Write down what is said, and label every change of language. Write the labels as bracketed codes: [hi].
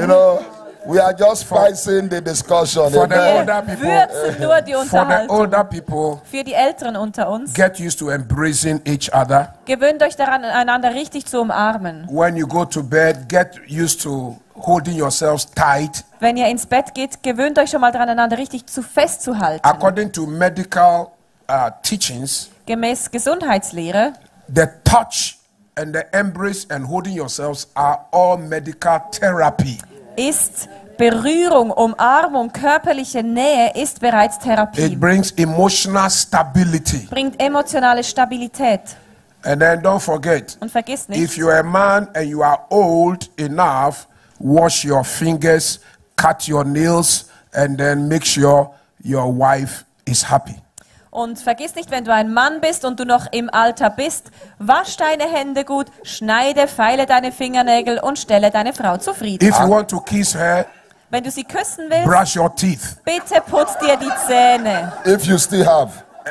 [en] You know, we are just spicing the discussion. For the older people, [de] nur die Unterhaltung. [en] For the older people, [de] für die Älteren unter uns, [en] get used to embracing each other. [de] Gewöhnt euch daran, einander richtig zu umarmen. [en] When you go to bed, get used to holding yourselves tight. [de] Wenn ihr ins Bett geht, gewöhnt euch schon mal daran, einander richtig zu festzuhalten. [en] According to medical teachings, [de] gemäß Gesundheitslehre, [en] the touch and the embrace and holding yourselves are all medical therapy. [de] Ist Berührung, Umarmung, körperliche Nähe ist bereits Therapie. [en] It brings emotional stability. [de] Bringt emotionale Stabilität. [en] And then don't forget, [de] und vergiss nicht, [en] if you are a man and you are old enough, wash your fingers, cut your nails and then make sure your wife is happy. [de] Und vergiss nicht, wenn du ein Mann bist und du noch im Alter bist, wasch deine Hände gut, schneide, feile deine Fingernägel und stelle deine Frau zufrieden. [en] If you want to kiss her, [de] wenn du sie küssen willst, [en] brush your teeth. [de] Bitte putz dir die Zähne. [en] If you still have.